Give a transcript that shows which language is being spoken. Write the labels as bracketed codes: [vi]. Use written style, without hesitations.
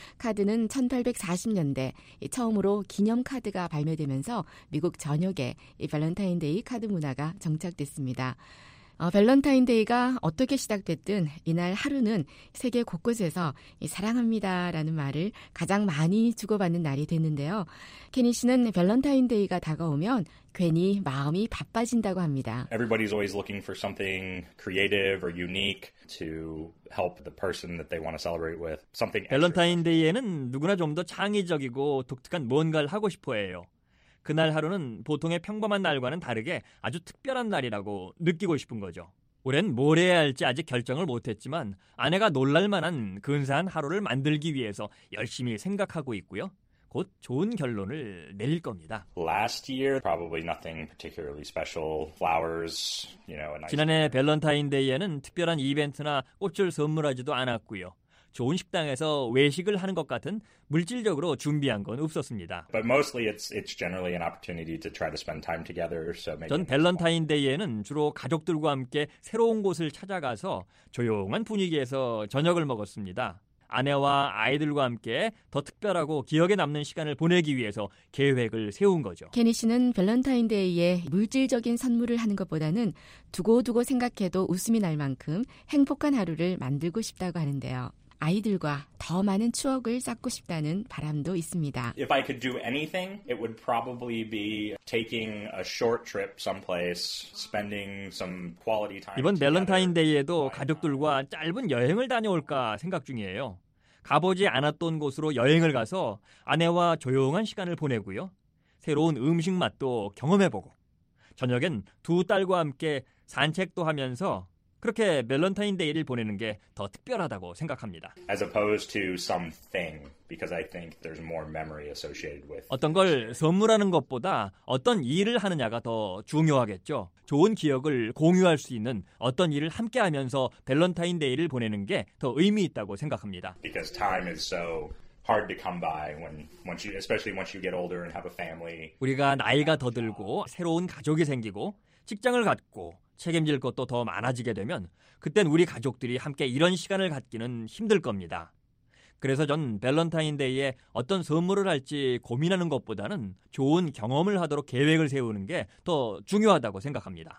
[ko] 카드는 1840년대 처음으로 기념카드가 발매되면서 미국 전역에 이 밸런타인데이 카드 문화가 정착됐습니다. 밸런타인데이가 어떻게 시작됐든 이날 하루는 세계 곳곳에서 사랑합니다라는 말을 가장 많이 주고받는 날이 됐는데요. 케니 씨는 밸런타인데이가 다가오면 괜히 마음이 바빠진다고 합니다. [en] Everybody's always looking for something creative or unique to help the person that they want to celebrate with. Something. [ko] 밸런타인데이에는 누구나 좀 더 창의적이고 독특한 무언가를 하고 싶어해요. 그날 하루는 보통의 평범한 날과는 다르게 아주 특별한 날이라고 느끼고 싶은 거죠. 올해는 뭘 해야 할지 아직 결정을 못했지만 아내가 놀랄만한 근사한 하루를 만들기 위해서 열심히 생각하고 있고요. 곧 좋은 결론을 내릴 겁니다. [en] Last year, probably nothing particularly special. Flowers, you know, a nice... [ko] 지난해 밸런타인데이에는 특별한 이벤트나 꽃을 선물하지도 않았고요. 좋은 식당에서 외식을 하는 것 같은 물질적으로 준비한 건 없었습니다. [en] But mostly it's generally an opportunity to try to spend time together. So maybe [ko] 전 밸런타인데이에는 주로 가족들과 함께 새로운 곳을 찾아가서 조용한 분위기에서 저녁을 먹었습니다. 아내와 아이들과 함께 더 특별하고 기억에 남는 시간을 보내기 위해서 계획을 세운 거죠. 케니 씨는 밸런타인데이에 물질적인 선물을 하는 것보다는 두고두고 생각해도 웃음이 날 만큼 행복한 하루를 만들고 싶다고 하는데요. 아이들과 더 많은 추억을 쌓고 싶다는 바람도 있습니다. [en] If I could do anything, it would probably be taking a short trip someplace, spending some quality time. [ko] 이번 밸런타인데이에도 가족들과 짧은 여행을 다녀올까 생각 중이에요. 가보지 않았던 곳으로 여행을 가서 아내와 조용한 시간을 보내고요. 새로운 음식 맛도 경험해보고 저녁엔 두 딸과 함께 산책도 하면서 그렇게 밸런타인데이를 보내는 게 더 특별하다고 생각합니다. [en] As opposed to something, because I think there's more memory associated with. [ko] 어떤 걸 선물하는 것보다 어떤 일을 하느냐가 더 중요하겠죠. 좋은 기억을 공유할 수 있는 어떤 일을 함께 하면서 밸런타인데이를 보내는 게 더 의미 있다고 생각합니다. [en] Because time is so hard to come by when once you especially once you get older and have a family. [ko] 우리가 나이가 더 들고 새로운 가족이 생기고 직장을 갖고 책임질 것도 더 많아지게 되면 그땐 우리 가족들이 함께 이런 시간을 갖기는 힘들 겁니다. 그래서 전 밸런타인데이에 어떤 선물을 할지 고민하는 것보다는 좋은 경험을 하도록 계획을 세우는 게 더 중요하다고 생각합니다.